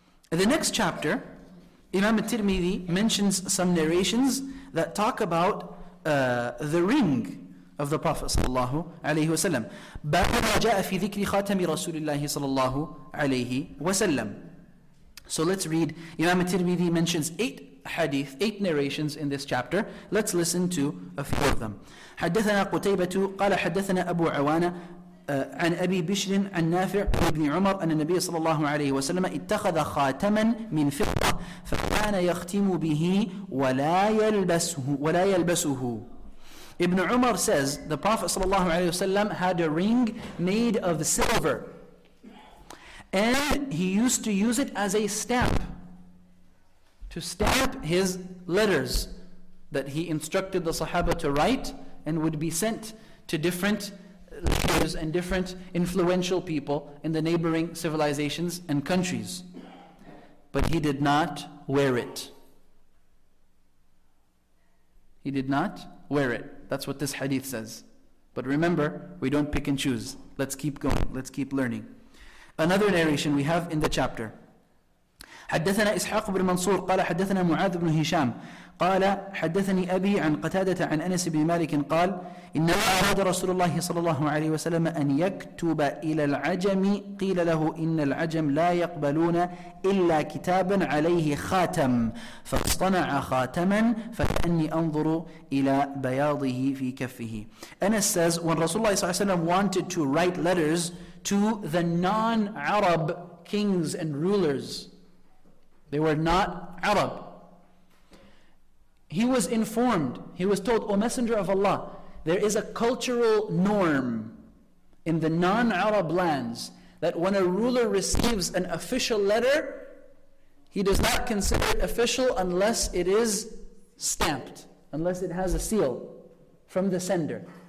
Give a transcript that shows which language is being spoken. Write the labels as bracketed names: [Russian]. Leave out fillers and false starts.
[English] In the next chapter, Imam al-Tirmidhi mentions some narrations that talk about the ring of the Prophet sallallahu alayhi wa sallam. [Arabic] بَابَ جَاءَ فِي ذِكْرِ خَاتَمِ رَسُولِ اللَّهِ صَلَى اللَّهُ عَلَيْهِ وَسَلَّمْ. [English] So let's read. Imam al-Tirmidhi mentions 8 hadith, 8 narrations in this chapter. Let's listen to a few of them. [Arabic] حَدَّثَنَا قُتَيْبَةُ قَالَ حَدَّثَنَا أَبُو عَوَانَ عن أبي بشر عن نافع ابن عمر أن النبي صلى الله عليه وسلم اتخذ خاتما من فضة فكان يختم به ولا يلبسه ولا يلبسه. [English] Ibn Umar says the Prophet صلى الله عليه وسلم had a ring made of silver and he used to use it as a stamp to stamp his letters that he instructed the Sahaba to write and would be sent to different leaders and different influential people in the neighboring civilizations and countries. But he did not wear it. He did not wear it. That's what this hadith says. But remember, we don't pick and choose. Let's keep going. Let's keep learning. Another narration we have in the chapter. [Arabic] حدثنا إسحاق بن منصور قال حدثنا معاذ بن هشام قال حدثني أبي عن قتادة عن أنس بن مالك قال إنما أراد رسول الله صلى الله عليه وسلم أن يكتب إلى العجم قيل له إن العجم لا يقبلون إلا كتابا عليه خاتم فاصطنع خاتما فكأني أنظر إلى بياضه في كفه. [English] Anas says when Rasulullah صلى الله عليه وسلم wanted to write letters to the non-Arab kings and rulers, they were not Arab, he was informed, he was told, O Messenger of Allah, there is a cultural norm in the non-Arab lands that when a ruler receives an official letter, he does not consider it official unless it is stamped, unless it has a seal from the sender.